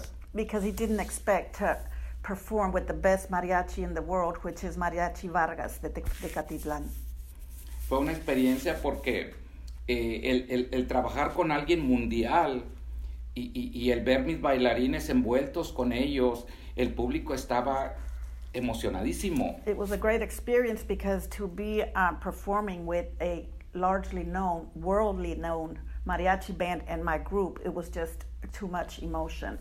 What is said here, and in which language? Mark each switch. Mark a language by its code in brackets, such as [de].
[en] Foot because he didn't expect to perform with the best mariachi in the world, which is Mariachi Vargas de Tecatitlán. [es] Fue una experiencia porque el trabajar con alguien mundial y el ver mis bailarines envueltos con ellos, el público estaba emocionadísimo. [en] It was a great experience because to be performing with a largely known, worldly known mariachi band and my group, it was just too much emotion.